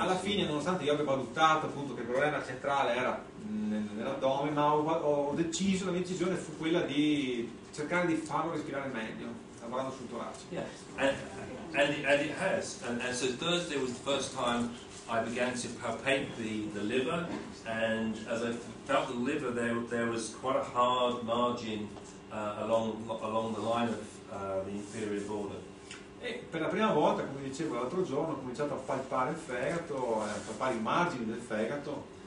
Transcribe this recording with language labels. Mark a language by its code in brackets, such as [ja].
[it] Alla fine, nonostante io abbia valutato appunto che il problema centrale era nell'addome, ma la mia decisione fu quella di cercare di farlo respirare meglio, lavorando sul torace. [en] Yeah. And it has. And so Thursday was the first time I began to palpate the liver, and as I felt the liver, there was quite a hard margin along the line of the inferior border. [it] E per la prima volta, come dicevo l'altro giorno, ho cominciato a palpare il fegato, a palpare i margini del fegato.